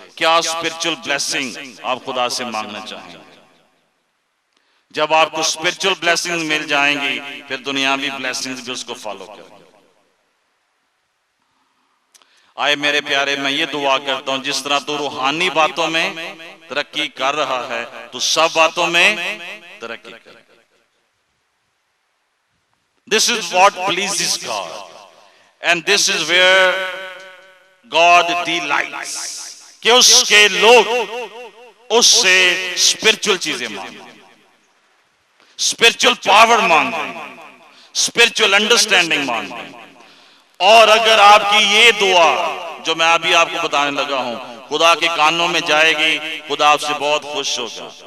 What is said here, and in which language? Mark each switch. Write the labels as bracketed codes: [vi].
[ur] کیا spiritual blessing آپ خدا سے مانگنا چاہیں گے؟ جب آپ کو اسپرچل بلیسنگ مل جائیں گی پھر دنیاوی بلیسنگ بھی اس کو فالو کریں گے. آئے میرے پیارے, میں یہ دعا کرتا ہوں جس طرح تو روحانی باتوں میں ترقی کر رہا ہے تو سب باتوں میں ترقی کر. [en] This is what pleases God and this is where God delights. [ur] کہ اس کے لوگ اس سے اسپرچل چیزیں مانگیں, اسپرچل پاور مانگیں, اسپرچل انڈرسٹینڈنگ مانگیں. اور اگر آپ کی یہ دعا جو میں ابھی آپ کو بتانے لگا ہوں خدا کے کانوں میں جائے گی, خدا آپ سے بہت خوش ہوگا.